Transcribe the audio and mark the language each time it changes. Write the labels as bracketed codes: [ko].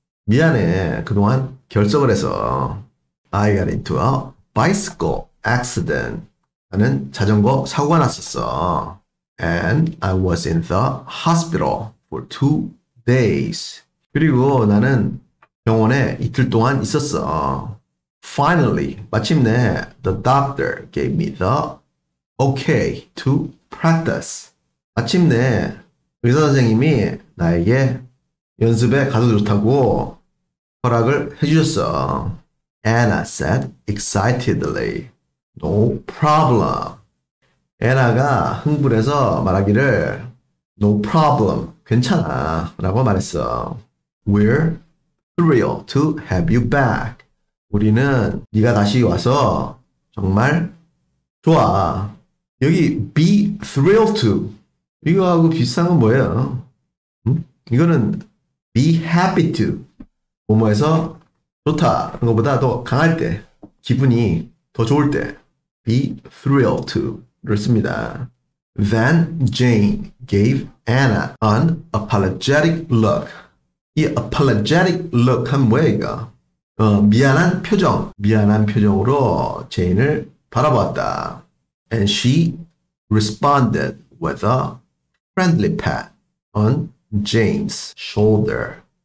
[ko] 미안해, 그동안 결석을 해서. [en] I got into a bicycle accident. [ko] 나는 자전거 사고가 났었어. [en] And I was in the hospital. for 2 days. [ko] 그리고 나는 병원에 이틀 동안 있었어. [en] Finally, [ko] 마침내 [en] the doctor gave me the okay to practice. [ko] 마침내 의사 선생님이 나에게 연습에 가도 좋다고 허락을 해주셨어. [en] Anna said excitedly, "No problem." [ko] 에나가 흥분해서 말하기를 [en] "No problem, [ko] 괜찮아."라고 말했어. [en] "We're thrilled to have you back." [ko] 우리는 네가 다시 와서 정말 좋아. 여기 be thrilled to 이거하고 비슷한 건 뭐예요? 응? 이거는 be happy to 뭐뭐해서 좋다 그런 것보다 더 강할 때, 기분이 더 좋을 때, be thrilled to를 씁니다. [en] Then Jane gave Anna an apologetic look. [ko] 이 apologetic look 하면 뭐야 이거? 미안한 표정, 미안한 표정으로 제인을 바라보았다. [en] And she responded with a friendly pat on Jane's shoulder.